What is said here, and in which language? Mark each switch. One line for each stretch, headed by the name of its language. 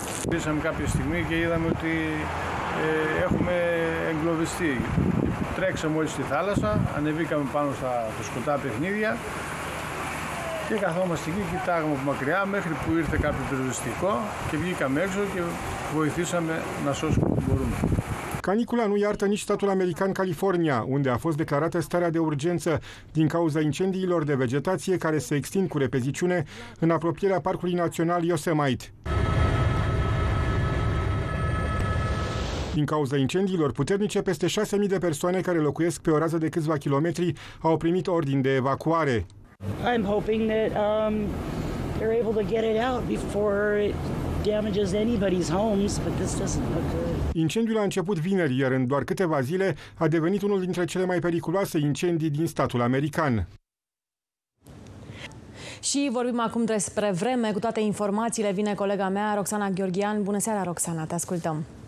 Greek: Πήσαμε κάποια στιγμή και είδαμε ότι έχουμε εγκλωβιστεί. Τρέξαμε όλοι στη θάλασσα, ανεβήκαμε πάνω στα φουσκωτά παιχνίδια και καθόμαστε εκεί, κοιτάγαμε από μακριά μέχρι που ήρθε κάποιο πυροσβεστικό και βγήκαμε έξω και βοηθήσαμε να σώσουμε όπου μπορούμε.
Romanian: Canicula nu iartă nici statul american California, unde a fost declarată starea de urgență din cauza incendiilor de vegetație care se extind cu repeziciune în apropierea Parcului Național Yosemite. Din cauza incendiilor puternice, peste 6.000 de persoane care locuiesc pe o rază de câțiva kilometri au primit ordin de evacuare.
English: I'm hoping that they're able to get it out before it damages anybody's homes, but this doesn't look good.
Romanian: Incendiul a început vineri, iar în doar câteva zile a devenit unul dintre cele mai periculoase incendii din statul american. Și vorbim acum despre vreme. Cu toate informațiile vine colega mea, Roxana Gheorghean. Bună seara, Roxana, te ascultăm.